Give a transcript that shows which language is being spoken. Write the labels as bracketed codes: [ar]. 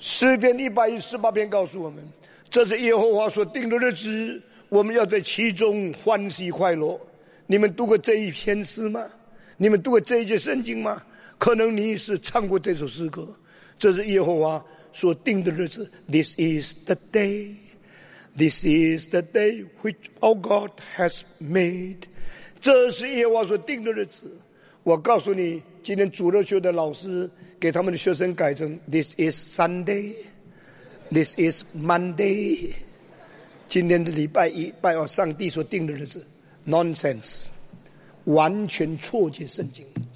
[zh] 诗篇118篇告诉我们，这是耶和华所定的日子，我们要在其中欢喜快乐。你们读过这一篇诗吗？你们读过这一节圣经吗？可能你是唱过这首诗歌，这是耶和华所定的日子。 [en] This is the dayThis is the day which our God has made. [zh] 这是耶和华所定的日子。我告诉你，今天主日学的老师给他们的学生改成 [en] This is Sunday. This is Monday. [zh] 今天的礼拜一拜二上帝所定的日子。 [en] Nonsense. [zh] 完全错解圣经。